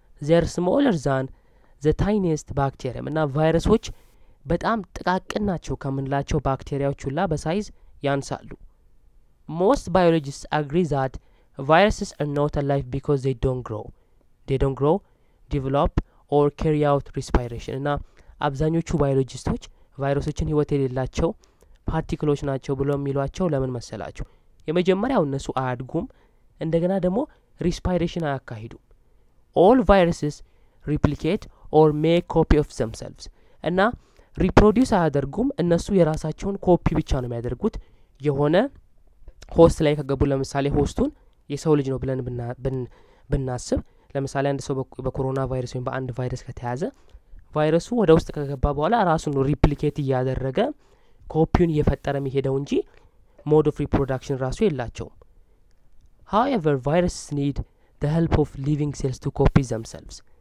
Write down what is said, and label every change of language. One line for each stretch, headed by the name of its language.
English: ዘር ስሞለር ዛን ዘ ታይኒስት ባክቴሪያም።
Amharic: እና ቫይረሶች በጣም ጥቃቅን ናቸው ከምንላቸው ባክቴሪያዎች ሁላ በሳይዝ ያንሳሉ።
English: ሞስት ባዮሎጂስት አግሪ ዛት ቫይረሰስ አር ኖት አላይቭ ቢኮዝ ዴ ዶንት ግሮው develop or carry out respiration.
Amharic: እና አብዛኞቹ ባዮሎጂስቶች ቫይረሶችን ህይወት የሌላቸው ፓርቲክሎች ናቸው ብለው የሚሏቸው ለምን መሰላችሁ? የመጀመሪያው እነሱ አያድጉም እንደገና ደግሞ respiration አያካሂዱም።
English: all viruses replicate or make copy of themselves.
Amharic: እና reproduce አያደርጉም እነሱ የራሳቸውን ኮፒ ብቻ ነው የሚያደርጉት የሆነ ሆስት ላይ ከገቡ። ለምሳሌ ሆስቱን የሰው ልጅ ነው ብለን ብናስብ ለምሳሌ አንድ ሰው በኮሮና ቫይረስ ወይም በአንድ ቫይረስ ከተያዘ ቫይረሱ ወደ ውስጥ ከገባ በኋላ ራሱን ሪፕሊኬት ያደረገ ኮፒውን እየፈጠረ የሚሄደው እንጂ ሞድ ኦፍ ሪፕሮዳክሽን ራሱ የላቸው።
English: However, viruses need the help of living cells to copy themselves.